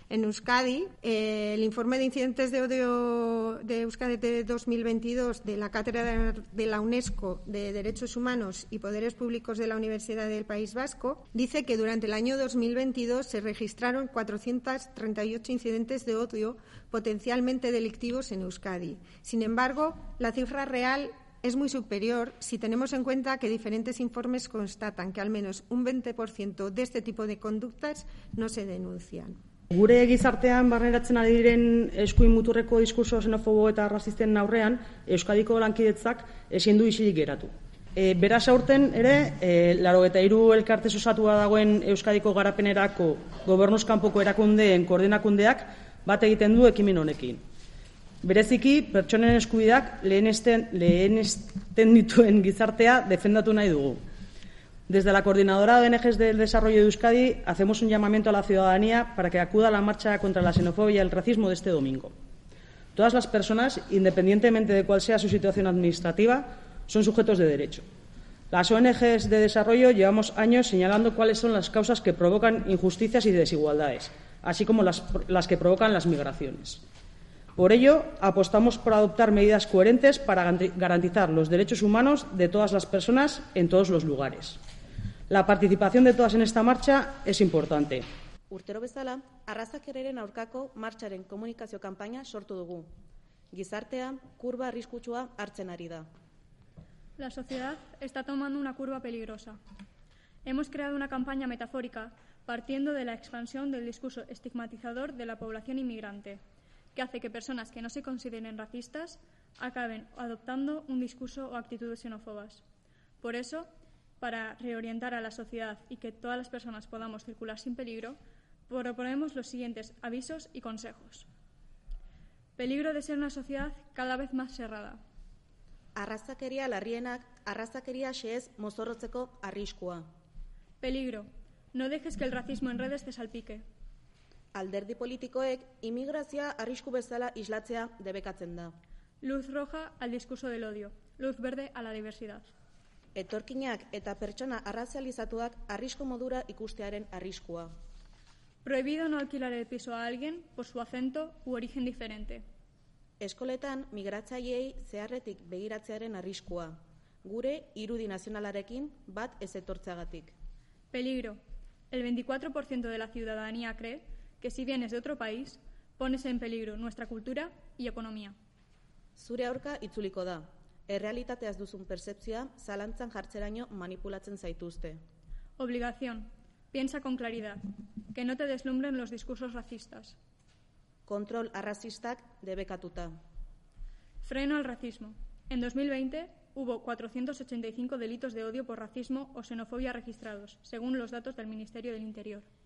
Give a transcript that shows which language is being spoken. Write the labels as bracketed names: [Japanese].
[Spanish] En Euskadi, el informe de incidentes de odio de Euskadi de 2022 de la Cátedra de la UNESCO de Derechos Humanos y Poderes Públicos de la Universidad del País Vasco dice que durante el año 2022 se registraron 438 incidentes de odio potencialmente delictivos en Euskadi. Sin embargo, la cifra real es muy superior si tenemos en cuenta que diferentes informes constatan que al menos un 20% de este tipo de conductas no se denuncian. [Basque] Gure gizartean barneratzen ari diren eskuin muturreko diskurso xenofobo eta arrazisten aurrean, Euskadiko lankidetzak ezin du isilik geratu. Beraz aurten ere, 83 elkarte osatua dagoen Euskadiko garapenerako gobernuzkanpoko erakundeen koordinakundeak bat egiten du ekimen honekin. Bereziki, pertsonen eskubideak lehenesten dituen gizartea defendatu nahi dugu. [Spanish] Desde la Coordinadora de ONGs del Desarrollo de Euskadi, hacemos un llamamiento a la ciudadanía para que acuda a la marcha contra la xenofobia y el racismo de este domingo. Todas las personas, independientemente de cuál sea su situación administrativa, son sujetos de derecho. Las ONGs de desarrollo llevamos años señalando cuáles son las causas que provocan injusticias y desigualdades, así como las que provocan las migraciones. Por ello, apostamos por adoptar medidas coherentes para garantizar los derechos humanos de todas las personas en todos los lugares. La participación de todas en esta marcha es importante. [Basque] Urtero bezala, arrazakeraren aurkako martxaren komunikazio kanpaina sortu dugu. Gizartea kurba arriskutsua hartzen ari da. [Spanish] La sociedad está tomando una curva peligrosa. Hemos creado una campaña metafórica partiendo de la expansión del discurso estigmatizador de la población inmigrante, que hace que personas que no se consideren racistas acaben adoptando un discurso o actitudes xenófobas. Por eso, para reorientar a la sociedad y que todas las personas podamos circular sin peligro, proponemos los siguientes avisos y consejos. Peligro de ser una sociedad cada vez más cerrada. [Basque] Arrazakeria larrienak, arrazakeria xehez mozorrotzeko arriskua. [Spanish] Peligro. No dejes que el racismo en redes te salpique. [Basque] Alderdi politikoek imigrazioa arrisku bezala islatzea debekatzen da. [Spanish] Luz roja al discurso del odio. Luz verde a la diversidad. [Basque] Etorkinak eta pertsona arrazializatuak arrisku modura ikustearen arriskua. [Spanish] Prohibido no alquilar el piso a alguien por su acento u origen diferente. [Basque] Eskoletan migratzaileei zeharretik begiratzearen arriskua. Gure irudi nazionalarekin bat ez etortzeagatik. [Spanish] Peligro. El 24% de la ciudadanía cree que si vienes de otro país, pones en peligro nuestra cultura y economía. [Basque] Zure aurka itzuliko da. Errealitateaz duzun percepzioa zalantzan jartzeraino manipulatzen zaituzte. [Spanish] Obligación. Piensa con claridad. Que no te deslumbren los discursos racistas. [Basque] Control arrazistak debekatuta. [Spanish] Freno al racismo. En 2020 hubo 485 delitos de odio por racismo o xenofobia registrados, según los datos del Ministerio del Interior.